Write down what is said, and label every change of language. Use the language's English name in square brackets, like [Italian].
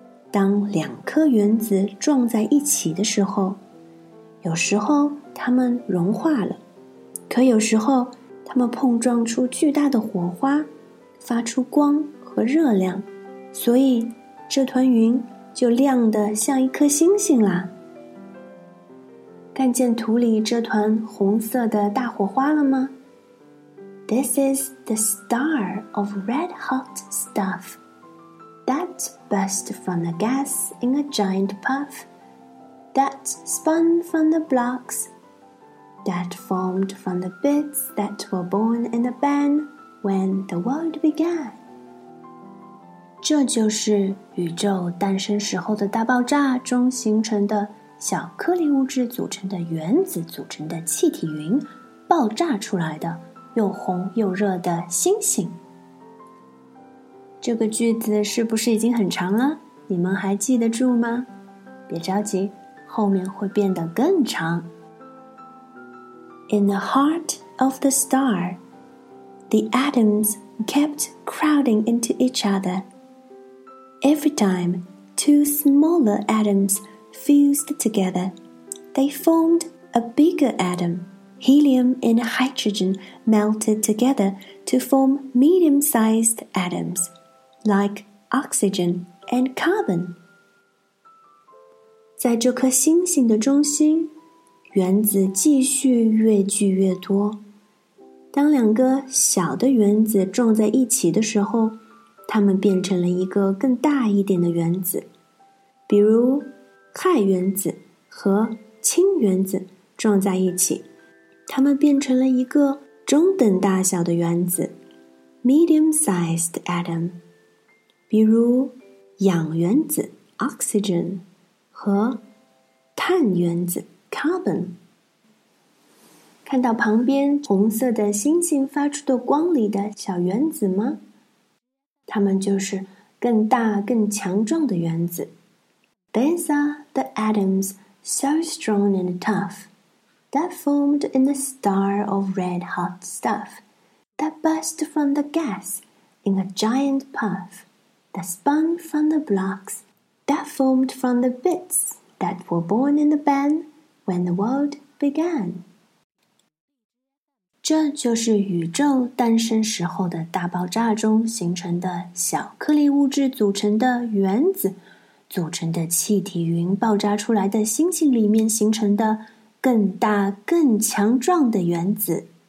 [Chinese] 当两颗原子撞在一起的时候，有时候它们融化了，可有时候它们碰撞出巨大的火花，发出光和热量，所以这团云就亮得像一颗星星啦。看见图里这团红色的大火花了吗？ This is the star of red hot stuff that burst from the gas in a giant puff that spun from the blocks that formed from the bits that were born in the bang when the world began. 这就是宇宙诞生时候的大爆炸中形成的小颗粒物质组成的原子组成的气体云，爆炸出来的又红又热的星星。这个句子是不是已经很长了？你们还记得住吗？别着急，后面会变得更长。 [English] In the heart of the star, the atoms kept crowding into each other. Every time two smaller atoms fused together, they formed a bigger atom. Helium and hydrogen melted together to form medium-sized atoms, like oxygen and carbon. [Chinese] 在这颗星星的中心，原子继续越聚越多。当两个小的原子撞在一起的时候，它们变成了一个更大一点的原子。比如，氦原子和氢原子撞在一起，它们变成了一个中等大小的原子 ,medium-sized atom。比如，氧原子 ,oxygen, 和碳原子 ,carbon。看到旁边红色的星星发出的光里的小原子吗？它们就是更大更强壮的原子。 [English] These are the atoms so strong and tough that formed in a star of red hot stuff that burst from the gas in a giant puff that spun from the blocks that formed from the bits that were born in the band when the world began. [Chinese] 这就是宇宙诞生时候的大爆炸中形成的小颗粒物质组成的原子组成的气体云爆炸出来的星星里面形成的更大更强壮的原子。